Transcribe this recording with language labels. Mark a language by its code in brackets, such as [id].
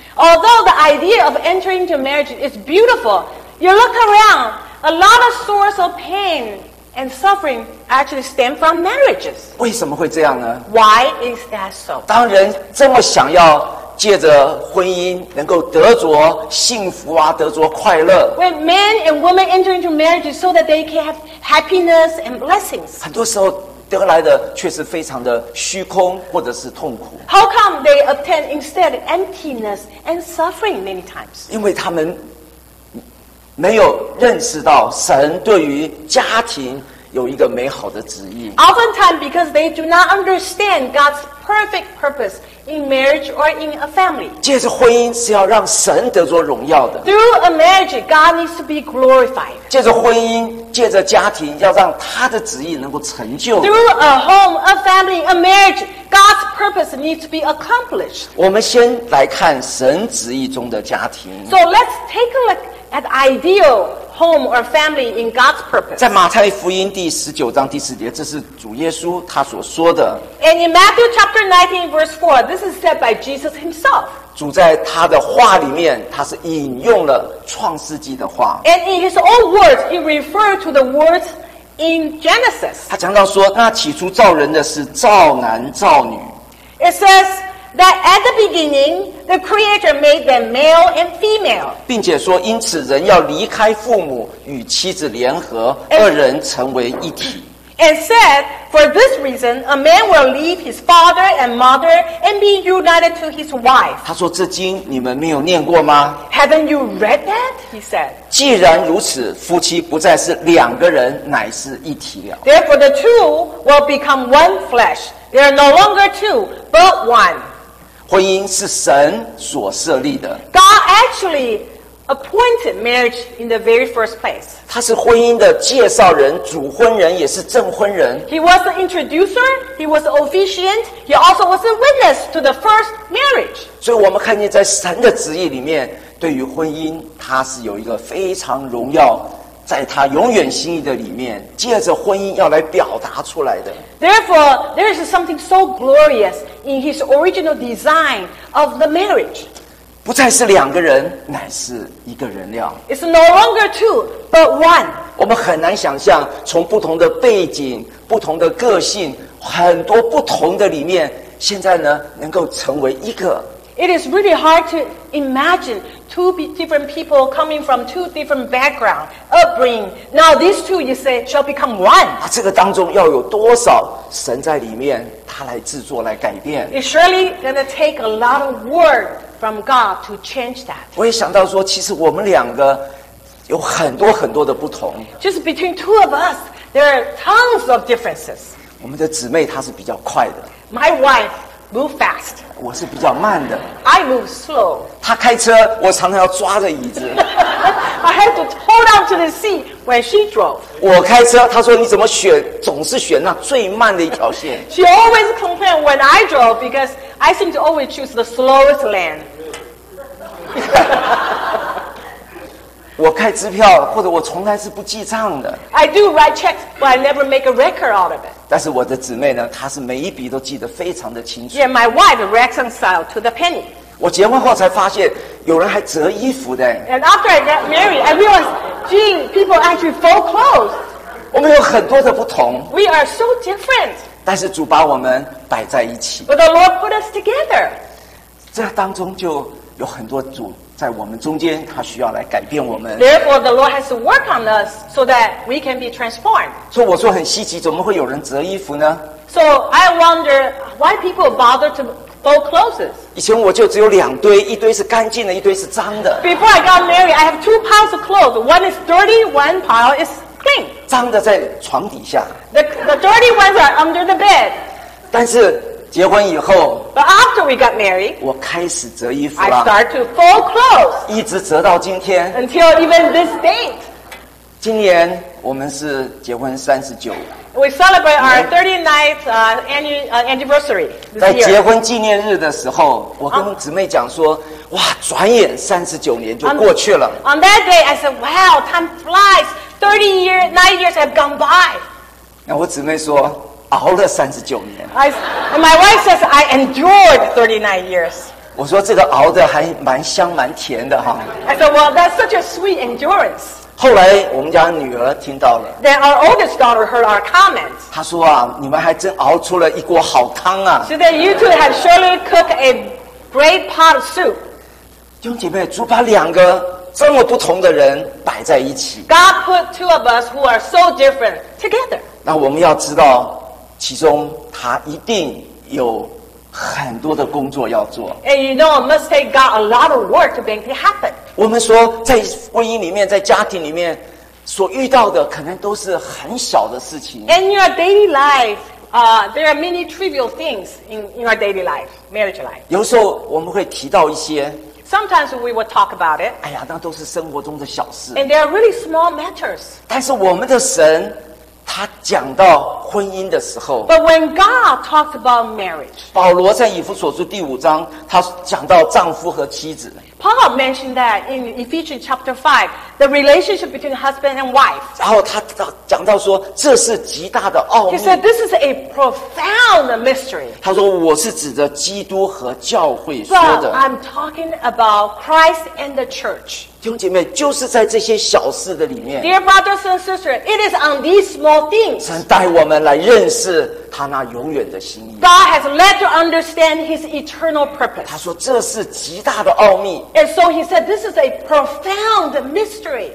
[en] Although the idea of entering into marriage is beautiful, you look around, a lot of source of pain and suffering actually stem from marriages. [zh] 为什么会这样呢？ [en] Why is that so? [zh] 当人这么想要借着婚姻能够得着幸福啊，得着快乐。 [en] When men and women enter into marriage so that they can have happiness and blessings. [zh] 很多时候得来的却是非常的虚空或者是痛苦。 [en] How come they obtain instead emptiness and suffering many times? [zh] 因为他们没有认识到神对于家庭有一个美好的旨意。 [en] Oftentimes because they do not understand God's perfect purpose in marriage or in a family. [zh] 借着婚姻是要让神得着荣耀的。 [en] Through a marriage, God needs to be glorified. [zh] 借着婚姻，借着家庭，要让他的旨意能够成就。 [en] Through a home, a family, a marriage, God's purpose needs to be accomplished. [zh] 我们先来看神旨意中的家庭。 [en] So let's take a look at the ideal. Home or family in God's purpose. [zh] 在马太福音第十九章第四节，这是主耶稣他所说的。 [en] And in Matthew chapter 19 verse 4, this is said by Jesus himself. [zh] 主在他的话里面，他是引用了创世纪的话。 [en] And in his own words, he referred to the words in Genesis. [zh] 他讲到说，那起初造人的是造男造女。 [en] It says. That at the beginning, the Creator made them male and female. [zh] 并且说，因此人要离开父母，与妻子联合，二人成为一体。 [en] and said, for this reason, a man will leave his father and mother and be united to his wife. [zh] 他说这经你们没有念过吗？ [en] Haven't you read that? He said. [zh] 既然如此，夫妻不再是两个人，乃是一体了。 [en] Therefore, the two will become one flesh. They are no longer two, but one. [zh] 婚姻是神所设立的。 [en] God actually appointed marriage in the very first place. [zh] 他是婚姻的介绍人，主婚人，也是证婚人。 [en] He was the introducer. He was the officiant. He also was a witness to the first marriage. [zh] 所以我们看见在神的旨意里面，对于婚姻，他是有一个非常荣耀，在他永远心意的里面，借着婚姻要来表达出来的。 [en] Therefore, there is something so glorious in his original design of the marriage. [zh] 不再是两个人，乃是一个人了。 [en] It's no longer two, but one. [zh] 我们很难想象，从不同的背景、不同的个性、很多不同的里面，现在呢，能够成为一个。 [en] It is really hard to imagine two different people coming from two different backgrounds, upbringing. Now these two, you say, shall become one. [zh] 啊，这个当中要有多少神在里面，他来制作、来改变 [en] ？It's surely going to take a lot of work. From God to change that. [zh] 我也想到说，其实我们两个有很多很多的不同。 [en] Just between two of us, there are tons of differences. [zh] 我们的姊妹她是比较快的。 [en] My wife moves fast. [zh] 我是比较慢的。 [en] I move slow. [zh] 她开车，我常常要抓着椅子。 [en] I had to hold on to the seat when she drove. [zh] 我开车，她说你怎么选，总是选那最慢的一条线。 [en] She always complained when I drove because. I seem to always choose the slowest lane. [zh] 我开支票，或者我从来是不记账的。 [en] I do write checks, but I never make a record out of it. [zh] 但是我的姊妹呢，她是每一笔都记得非常的清楚。 [en] Yeah, my wife reconciled to the penny. [zh] 我结婚后才发现，有人还折衣服的。 [en] And after I got married, I realized, Jean, people actually fold clothes. [zh] 我们有很多的不同。 [en] We are so different. [zh] 但是主把我们摆在一起 [en] But the Lord put us together. [zh] 这当中就有很多主在我们中间他需要来改变我们 [en] Therefore the Lord has to work on us so that we can be transformed. [zh] 所以我说很稀奇怎么会有人折衣服呢 [en] So I wonder why people bother to fold clothes. [zh] 以前我就只有两堆一堆是干净的一堆是脏的 [en] Before I got married I have two piles of clothes. One is dirty, one pile is clean. [zh] 脏的在床底下 [en] The dirty ones are under the bed. [zh] 但是结婚以后 [en] But after we got married, [zh] 我开始折衣服了 [en] I start to fold clothes. [zh] 一直折到今天 [en] Until even this date. [zh] 今年我们是结婚三十九 [en] We celebrate our 39th anniversary. [zh] 在结婚纪念日的时候，我跟姊妹讲说，哇，转眼三十九年就过去了 [en] On that day, I said, "Wow, time flies. 39 years have gone by." [zh] 那我姊妹说熬了三十九年 [en] My wife says I endured 39 years [zh] 我说这个熬的还蛮香蛮甜的哈 [en] I said well that's such a sweet endurance [zh] 后来我们家女儿听到了 [en] Then our oldest daughter heard our comments [zh] 她说啊你们还真熬出了一锅好汤啊 [en] So then you two have surely cooked a great pot of soup [zh] 弟兄姐妹主把两个这么不同的人摆在一起 [en] God put two of us who are so different together [zh] 那我们要知道，其中他一定有很多的工作要做。 [en] And you know, it must take God a lot of work to make it happen. [zh] 我们说，在婚姻里面，在家庭里面，所遇到的可能都是很小的事情。 [en] In your daily life, there are many trivial things in your daily life, marriage life. [zh] 有时候我们会提到一些。 [en] Sometimes we will talk about it. [zh] 哎呀，那都是生活中的小事。 [en] And they are really small matters. [zh] 但是我们的神。他讲到婚姻的时候 [en] But when God talks about marriage [zh] 保罗在以弗所书第五章他讲到丈夫和妻子 [en] Paul mentioned that in Ephesians chapter 5 the relationship between husband and wife [zh] 然后他讲到说这是极大的奥秘 [en] He said this is a profound mystery [zh] 他说我是指着基督和教会说的 [en] But I'm talking about Christ and the church [zh] 弟兄姐妹，就是在这些小事的里面。 [en] Dear brothers and sisters, it is on these small things. [zh] 神带我们来认识他他那永远的心意。 [en] God has led you understand His eternal purpose. [zh] 他说这是极大的奥秘。 [en] And so He said, "This is a profound mystery."